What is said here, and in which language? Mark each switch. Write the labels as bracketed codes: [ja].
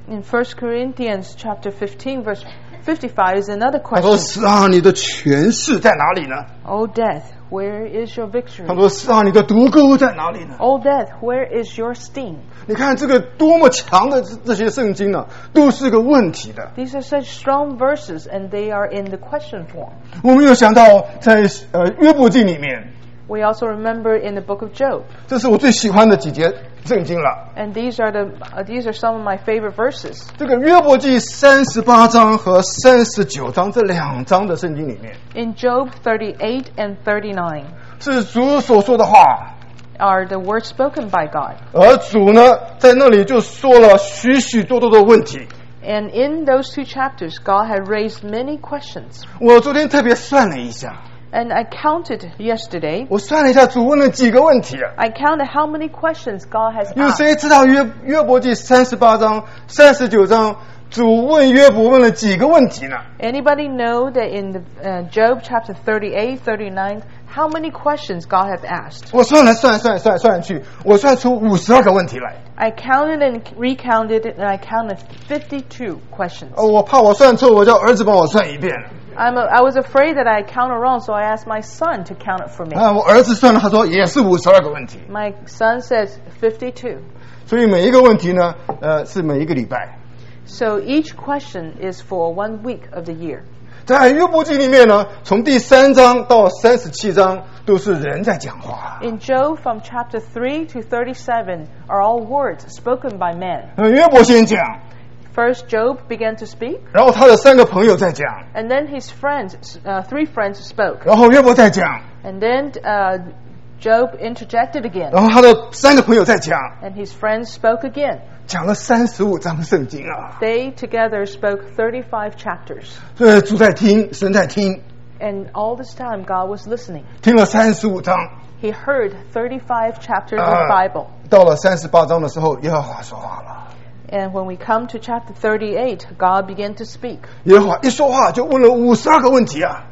[en] In 1 Corinthians chapter 15 verse 55 is another question. [zh] 他说死啊，你的权势在哪里呢 [en] ？O death, where is your victory? [zh] 他说死啊，你的毒钩在哪里呢 [en] ？O death, where is your sting? [zh] 你看这个多么强的这些圣经呢、啊，都是个问题的。 [en] These are such strong verses, and they are in the question form. [zh] 我们又想到在约伯记里面。 [en] We also remember in the book of Job. [zh] 这是我最喜欢的几节圣经了。 [en] And these are some of my favorite verses. [zh] 这个约伯记38章和39章这两章的圣经里面。 [en] In Job 38 and 39. [zh] 是主所说的话。 [en] Are the words spoken by God. [zh] 而主呢，在那里就说了许许多多的问题。 [en] And in those two chapters, God had raised many questions. [zh] 我昨天特别算了一下。 [en] And I counted yesterday. [zh] 我算了一下主问了几个问题。 [en] I counted how many questions God has asked. [zh] 有谁知道约伯记三十八章、三十九章主问约伯问了几个问题呢？ [en] Anybody know that in the, Job chapter 38, 39, how many questions God has asked? [zh] 我算来算算算算去，我算出五十二个问题来。 [en] I counted and recounted and I counted 52 questions. [zh] 哦，我怕我算错，我叫儿子帮我算一遍。 [en] I was afraid that I counted wrong, so I asked my son to count it for me. [zh] 我儿子算了，他说也是五十二个问题。 [en] My son says 52. [zh] 所以每一个问题呢，是每一个礼拜。 [en] So each question is for one week of the year. [zh] 在约伯记里面呢，从第三章到三十七章都是人在讲话。 [en] In Job, from chapter 3 to 37, are all words spoken by men. [zh] 约伯先讲。 [en] First, Job began to speak. [zh] 然后他的三个朋友在讲。 [en] And then his friends, three friends spoke. [zh] 然后约伯在讲。 [en] And then, Job interjected again. [zh] 然后他的三个朋友在讲。 [en] And his friends spoke again. [zh] 讲了三十五章圣经啊 [en] ！They together spoke 35 chapters. [zh] 主在听，神在听。 [en] And all this time, God was listening. [zh] 听了三十五章。 [en] He heard 35 chapters of the Bible. [zh] 到了三十八章的时候，耶和华说话了。 [en] And when we come to chapter 38, God began to speak. [zh] 耶和华一说话就问了五十二个问题啊